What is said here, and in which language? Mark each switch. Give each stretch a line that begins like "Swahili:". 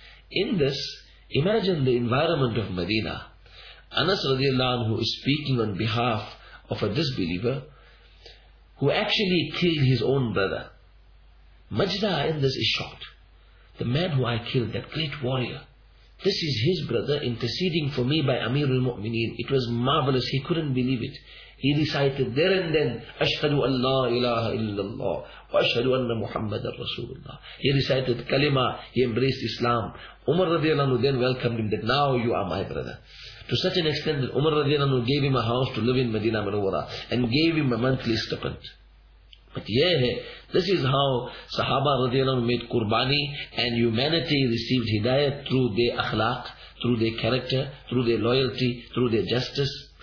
English: In this, imagine the environment of Medina. Anas radiallahu anhu is speaking on behalf of a disbeliever who actually killed his own brother. Majza'a in this is shocked. The man who I killed, that great warrior, this is his brother interceding for me by Amirul Mu'mineen. It was marvelous. He couldn't believe it.
Arabic: He recited there and then, أَشْهَدُ أَنْ لَا إِلَٰهَ إِلَّا اللَّهِ وَأَشْهَدُ أَنَّ مُحَمَّدًا رَسُولُ اللَّهِ.
English: He recited kalima, he embraced Islam. Umar radiallahu anhu then welcomed him that now you are my brother. To such an extent that Umar radiallahu anhu gave him a house to live in Medina Munawwara and gave him a monthly stipend. But yeah, this is how Sahaba radiallahu anhu made qurbani and humanity received hidayat through their akhlaq, through their character, through their loyalty, through their justice.